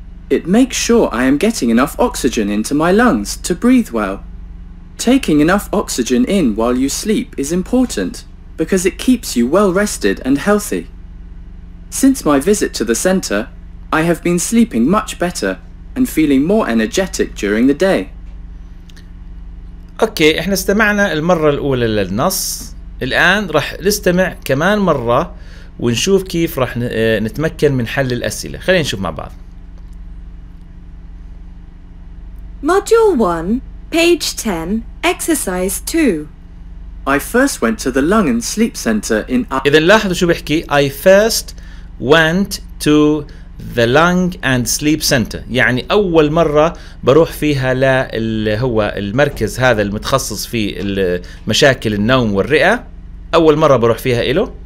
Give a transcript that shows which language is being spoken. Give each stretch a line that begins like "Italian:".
English: It makes sure I am getting enough oxygen into my lungs to breathe well. Taking enough oxygen in while you sleep is important because it keeps you well rested and healthy. Since my visit to the center, I have been sleeping much better and feeling more energetic during the day.
Arabic: اوكي احنا استمعنا المرة الأولى للنص، الآن راح نستمع كمان مرة ونشوف كيف راح نتمكن من حل الأسئلة، خلينا نشوف مع بعض.
English: Module 1, page 10, exercise 2. I first went to the lung and sleep center in
Arabic: إذا لاحظوا شو بحكي،
English: I first went to the lung and sleep center،
Arabic: يعني أول مرة بروح فيها للي هو المركز هذا المتخصص في مشاكل النوم والرئة، أول مرة بروح فيها إله.